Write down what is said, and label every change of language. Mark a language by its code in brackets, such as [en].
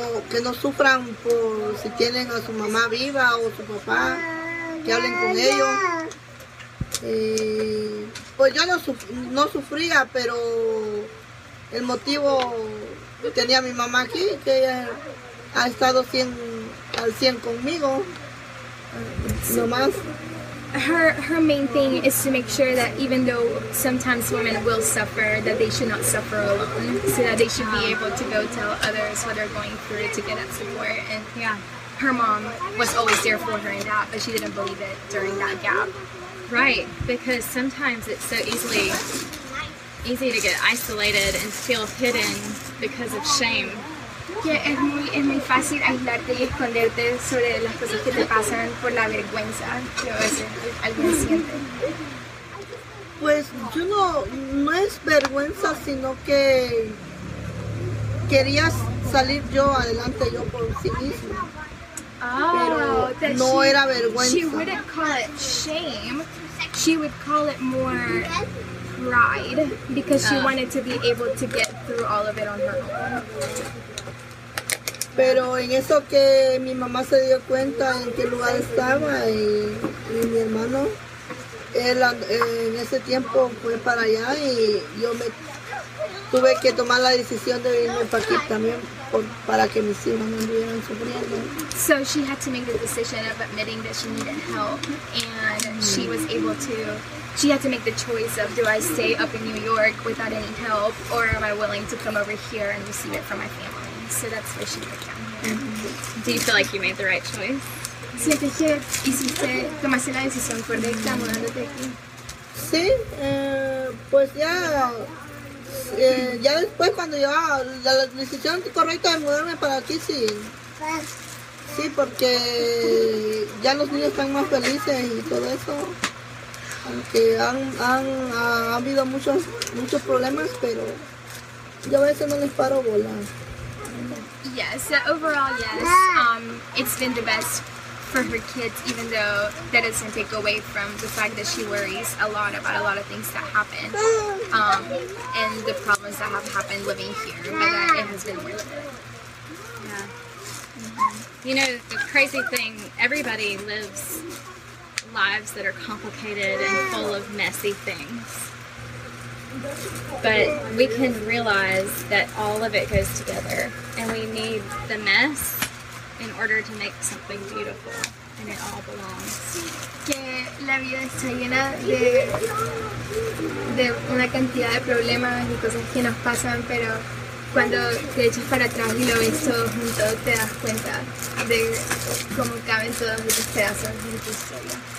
[es] Que no sufran por si tienen a su mamá viva o su papá, que hablen con ellos. Pues yo no sufría, pero el motivo que tenía mi mamá aquí, que ella ha estado 100% conmigo, nomás. [en] Her main thing is to make sure that even though sometimes women will suffer, that they should not suffer alone, so that they should be able to go tell others what they're going through to get that support. And yeah, her mom was always there for her in that, but she didn't believe it during that gap. Right, because sometimes it's so easy to get isolated and feel hidden because of shame. [es] Yeah, es muy fácil aislarte y esconderte sobre las cosas que te pasan por la vergüenza que a veces alguien siente. Pues yo no es vergüenza, sino que quería salir yo adelante yo por sí mismo. Pero no era vergüenza. [en] She wouldn't call it shame. She would call it more pride because she wanted to be able to get through all of it on her own. [es] Pero en eso que mi mamá se dio cuenta en qué lugar estaba y mi hermano, él en ese tiempo fue para allá y yo me tuve que tomar la decisión de irme para aquí también para que mis hijos no estuvieran sufriendo. [en] So she had to make the decision of admitting that she needed help, and she was able to, she had to make the choice of, do I stay up in New York without any help, or am I willing to come over here and receive it from my family? So that's why she came down here. Mm-hmm. Do you feel like you made the right choice? [es] Sí, te dije, hiciste, tomaste la decisión correcta mudándote aquí. Sí, pues ya. Ya después cuando yo la decisión correcta de mudarme para aquí, sí. sí, porque ya los niños están más felices y todo eso. Aunque han habido muchos problemas, pero yo a veces no les paro bola. [en] Yes, so overall, yes. It's been the best for her kids, even though that doesn't take away from the fact that she worries a lot about a lot of things that happen and the problems that have happened living here. But it has been really good. Yeah. Mm-hmm. You know, the crazy thing, everybody lives lives that are complicated and full of messy things. But we can realize that all of it goes together, and we need the mess in order to make something beautiful, and it all belongs. [es] Que la vida está llena de una cantidad de problemas y cosas que nos pasan, pero cuando te echas para atrás y lo ves todo junto, te das cuenta de cómo caben todos esos pedazos de tu historia.